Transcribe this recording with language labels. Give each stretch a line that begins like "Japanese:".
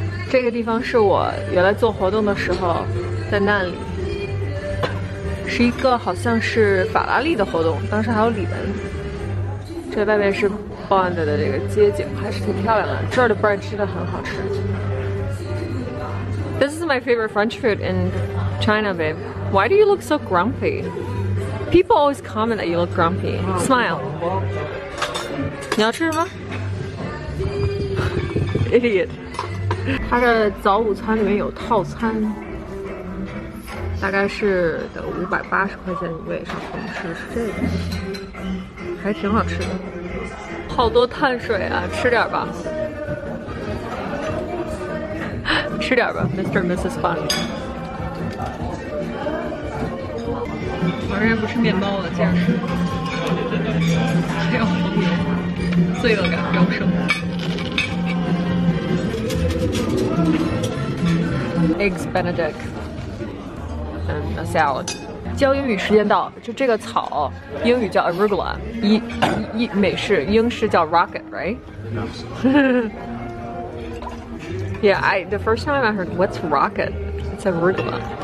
Chinese: 这个地方是我原来做活动的时候在那里，是一个好像是法拉利的活动，当时还有李文。这外面是 Bond 的这个街景，还是挺漂亮的。这儿的 brunch 真的很好吃。
English: This is my favorite French food in China, babe. Why do you look so grumpy? People always comment that you look grumpy. Smile.
Chinese: 你要吃什么 ？
English: Idiot.
Chinese: 他的早午餐里面有套餐，大概是得580块钱一位上，上桌吃是这个，还挺好吃的。好多碳水啊，吃点吧。吃点吧 ，Mr. and Mrs. Bond。我这不吃面包了，竟然吃，还有黄油，罪恶感飙升。
English: Eggs Benedict and a salad。
Chinese: 教英语时间到，就这个草，英语叫 arugula， 美式英式叫 rocket，
English: right？ Yeah， the first time I heard what's rocket， it's arugula。